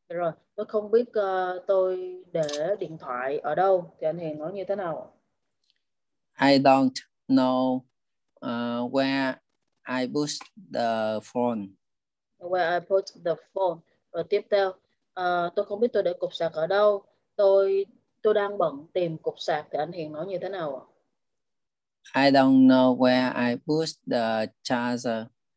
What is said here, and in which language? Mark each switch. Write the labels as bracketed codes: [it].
[vi] Rồi, tôi không biết tôi để điện thoại ở đâu. Thì anh Hiền nói như thế nào? [en] I don't know where I put the phone. Where I put the phone. [vi] Rồi tiếp theo, tôi không biết tôi để cục sạc ở đâu. Tôi đang bận tìm cục sạc. Thì anh Hiền nói như thế nào? [en] I don't know where I put the charger.